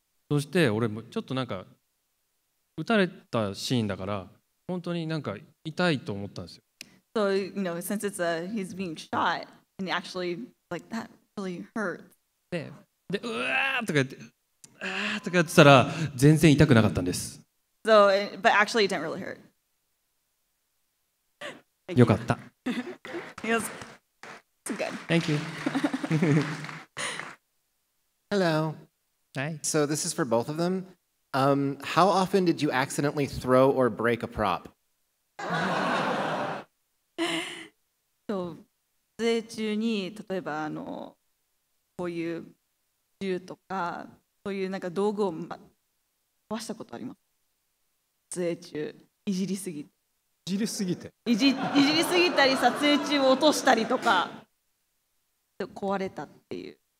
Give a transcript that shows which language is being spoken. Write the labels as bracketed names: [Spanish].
[Japanese] そして俺もちょっとなんか撃たれたシーンだから本当になんか痛いと思ったんですよ。 [English] So, you know, since it's a, he's being shot, and actually, like, that really hurts. [Japanese] で、うわーとか言って、あーとかやってたら、全然痛くなかったんです。 [English] So, but actually, it didn't really hurt. [Japanese] よかった。 [English] It was good. Thank you. Hello. Hi. So, this is for both of them. How often did you accidentally throw or break a prop? [Japanese] そう、撮影中に例えばこういう銃とかそういうなんか道具を、ま、壊したことあります。撮影中いじりすぎて。いじりすぎて。いじりすぎたり撮影中落としたりとか壊れたっていう。